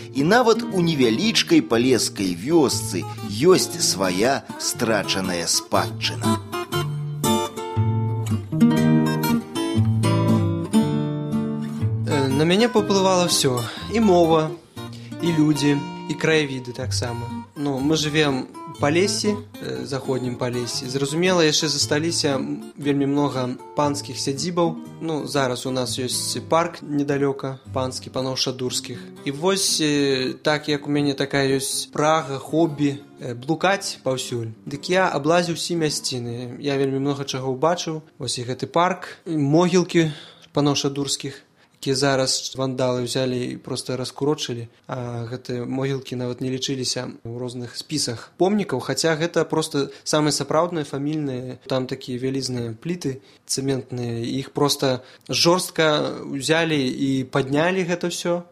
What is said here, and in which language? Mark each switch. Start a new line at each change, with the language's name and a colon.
Belarusian: І нават у невялічкай палескай вёсцы ёсць свая страчаная спадчына. На мяне паўплывала ўсё: і мова, і людзі, і краявіды таксама.
Russian: Ну, мы живем в Полесье, в заходнем Полесье.
Belarusian: Зразумела, еще застались вельми много панских сядзібаў.
Russian: Ну, зараз у нас есть парк недалеко, панский, панов шадурских. И вот так, как у меня такая есть прага, хобби, блукать повсюль. Так я облазил все мястины. Я вельми много чего убачил. Вот их это парк, могилки панов шадурских,
Belarusian: які зараз вандалы взялі і просто раскурочылі, а гэтыя могілкі нават не лічыліся ў розных спісах помнікаў, хаця гэта просто самыя сапраўдныя фамільныя, там такія вялізныя пліты цэментныя, іх просто жорстка взялі і паднялі гэта ўсё.